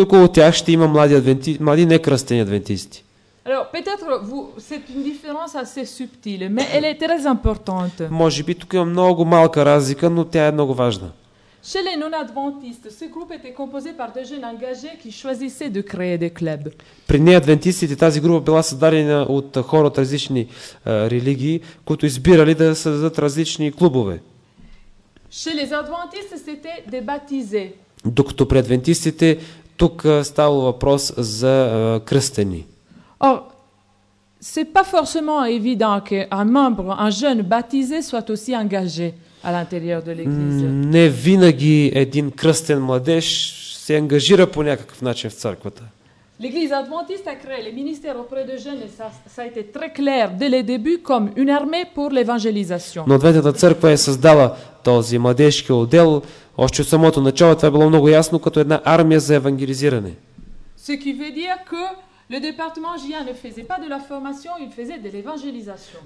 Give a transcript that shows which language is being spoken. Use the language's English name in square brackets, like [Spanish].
[Bulgarian] около тях ще има млади адвентисти, млади некръстени адвентисти. [French] Alors, peut-être vous c'est une différence assez subtile, mais elle est très importante. [Bulgarian] Може би тук има много малка разлика, но тя е много важна. [French] Chez les non-adventistes, ce groupe était composé par des jeunes engagés qui choisissaient de créer des clubs. [Bulgarian] При неадвентистите тази група била създадена от хора от различни религии, които избирали да създадат различни клубове. [French] Chez les adventistes, c'était des baptisés. [Bulgarian] Докато при адвентистите тук става въпрос за кръстени. [French] Or, c'est pas forcément évident que un jeune baptisé soit aussi engagé à l'intérieur de l'église. [Bulgarian] Не винаги един кръстен младеж се ангажира по някакъв начин в църквата. [French] L'église adventiste a créé le ministère auprès de jeunes, ça a été très clair dès les débuts comme une armée pour l'évangélisation. [Bulgarian] Но адвентната църква е създала този младежки отдел още от самото начало, това е било много ясно, като една армия за евангелизиране. [French] Ce qui veut dire que le département JIA ne faisait pas de la formation, il faisait de l'évangélisation.